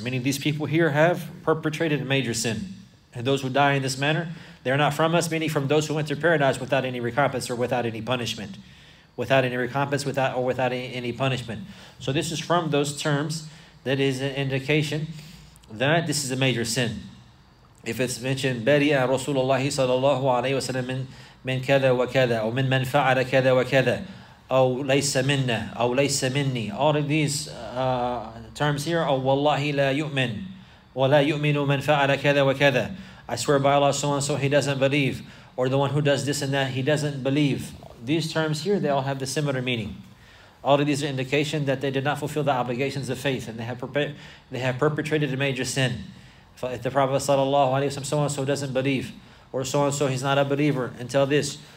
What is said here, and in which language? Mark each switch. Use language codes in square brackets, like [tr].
[en] Meaning these people here have perpetrated a major sin. And those who die in this manner, they're not from us. Meaning from those who went to paradise without any recompense or without any punishment. Without any recompense without any punishment. So this is from those terms that is an indication that this is a major sin. If it's mentioned, [ar] بَرِيَ رَسُولَ اللَّهِ صَلَى اللَّهُ عَلَيْهِ وَسَلَمْ مِنْ كَذَا وَكَذَا أو مِنْ مَنْ فَعَلَ كَذَا وَكَذَا أو ليس منا أو ليس مني. [en] All of these terms here. [ar] أو والله لا يؤمن ولا يؤمن من فعل كذا وكذا. [en] I swear by Allah so and so, he doesn't believe. Or the one who does this and that, he doesn't believe. These terms here, they all have the similar meaning. All of these are indication that they did not fulfill the obligations of faith, and they have perpetrated a major sin. If the Prophet sallallahu alaihi wasallam, so and so doesn't believe, or so and so he's not a believer until this.